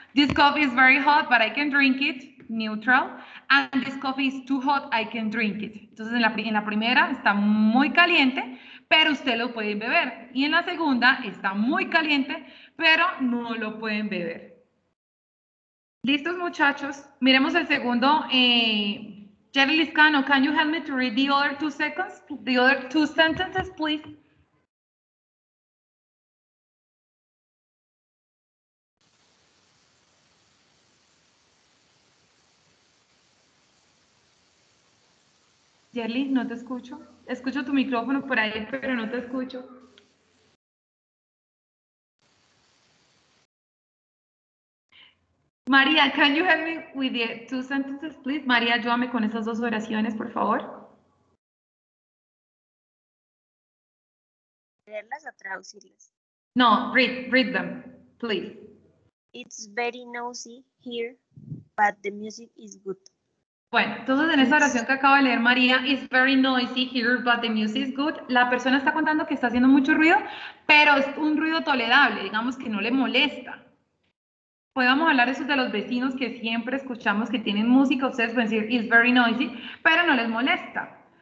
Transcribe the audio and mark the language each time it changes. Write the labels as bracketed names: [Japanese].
[English] This coffee is very hot, but I can drink it. Neutral. And this coffee is too hot, I can drink it. [Spanish] Entonces, en la primera está muy caliente, pero usted lo puede beber. Y en la segunda está muy caliente, pero no lo pueden beber. ¿Listos, muchachos? Miremos el segundo. [English] Jerry Liscano, can you help me to read the other two seconds? The other two sentences, please. [Spanish] Yerly, no te escucho. Escucho tu micrófono por ahí, pero no te escucho. [English] María, can you help me with the two sentences, please? [Spanish] María, ayúdame con esas dos oraciones, por favor. ¿Leerlas o traducirlas? [English] No, read them, please. It's very noisy here, but the music is good. [Spanish] Bueno, entonces en esa oración que acabo de leer, María, [English] it's very noisy here, but the music is good. [Spanish] La persona está contando que está haciendo mucho ruido, pero es un ruido tolerable, digamos que no le molesta. Podemos hablar eso de los vecinos que siempre escuchamos que tienen música, ustedes pueden decir, [English] it's very noisy, [Spanish] pero no les molesta.